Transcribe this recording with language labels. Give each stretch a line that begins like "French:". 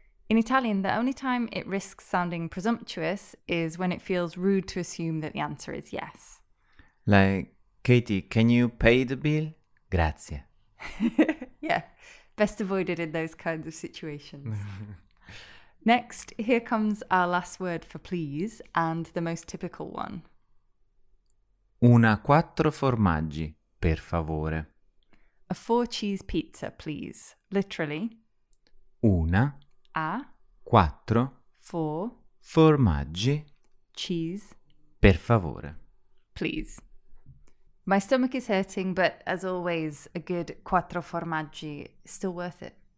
English: In Italian, the only time it risks sounding presumptuous is when it feels rude to assume that the answer is yes. Like, Katie, can you pay the bill?
Italian: Grazie.
English: Yeah, best avoided in those kinds of situations. Next, here comes our last word for please and the most typical one.
Italian: Una quattro formaggi, per favore.
English: A four cheese pizza, please. Literally.
Italian: Una.
English: A.
Italian: Quattro.
English: Four.
Italian: Formaggi.
English: Cheese.
Italian: Per favore.
English: Please. My stomach is hurting, but as always, a good quattro formaggi is still worth it.